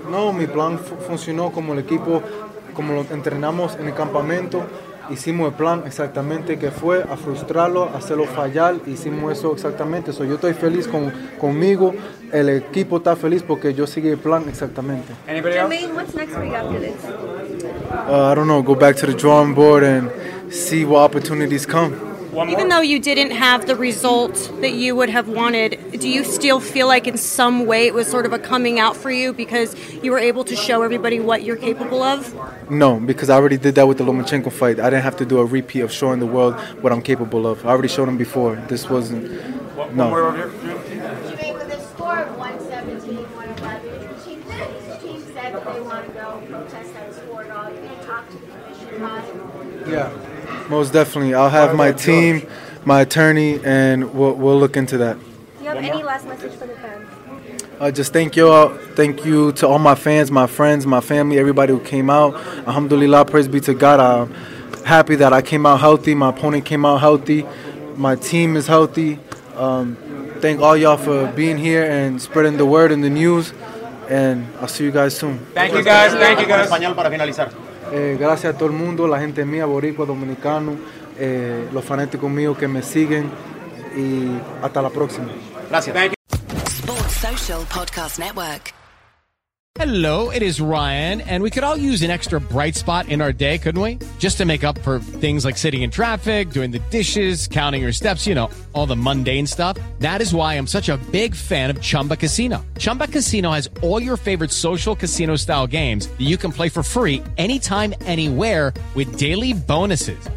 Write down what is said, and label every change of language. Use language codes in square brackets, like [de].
[es] No, mi plan funcionó como el equipo, como lo entrenamos en el campamento. Hicimos el plan exactamente que fue a frustrarlo, hacerlo fallar. Hicimos eso exactamente. So, yo estoy feliz conmigo. El equipo está feliz porque yo sigo el plan exactamente. [en] Jamaine, what's next for you after this? I don't know. Go back to the drawing board and see what opportunities come. Even though you didn't have the result that you would have wanted, do you still feel like in some way it was sort of a coming out for you because you were able to show everybody what you're capable of? No, because I already did that with the Lomachenko fight. I didn't have to do a repeat of showing the world what I'm capable of. I already showed them before. This wasn't... No. With a score of 117-111, yeah. Most definitely. I'll have my team, my attorney, and we'll look into that. Do you have any last message for the fans? Just thank you all. Thank you to all my fans, my friends, my family, everybody who came out. Alhamdulillah, praise be to God. I'm happy that I came out healthy. My opponent came out healthy. My team is healthy. Thank all y'all for being here and spreading the word and the news. And I'll see you guys soon. Thank you, guys. Thank you, guys. [es] Español para finalizar. Gracias a todo el mundo, la gente mía, boricua, dominicano, los fanáticos míos que me siguen y hasta la próxima. Gracias. [en] Thank you. Sports Social Podcast Network. Hello, it is Ryan, and we could all use an extra bright spot in our day, couldn't we? Just to make up for things like sitting in traffic, doing the dishes, counting your steps, you know, all the mundane stuff. That is why I'm such a big fan of Chumba Casino. Chumba Casino has all your favorite social casino-style games that you can play for free anytime, anywhere with daily bonuses.